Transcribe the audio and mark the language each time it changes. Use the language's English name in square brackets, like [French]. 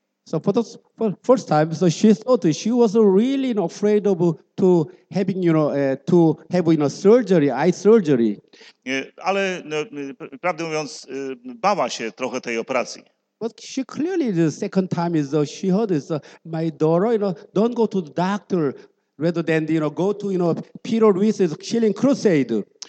[English] So for the first time, so she thought she was really afraid of to having, you know, to have, you know, surgery, eye surgery. [Polish] Ale no, prawdę mówiąc, bała się trochę tej operacji. [English] But she clearly the second time is she heard is my daughter, you know, don't go to the doctor rather than, you know, go to, you know, Peter Ruiz's Killing Crusade.